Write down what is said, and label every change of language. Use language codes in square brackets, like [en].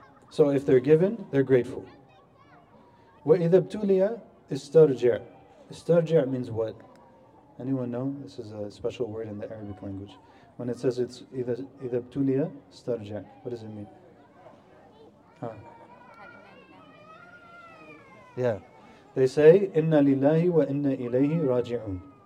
[en] So if they're given, they're grateful. [ar] وَإِذَا ابْتُلِيَ اِسْتَرْجِعَ اِسْتَرْجِعَ means what? [en] Anyone know? This is a special word in the Arabic language. When it says it's إِذَا ابْتُلِيَ اِسْتَرْجِعَ, what does it mean? Huh. Yeah, they say inna lillahi wa inna ilayhi raji'un.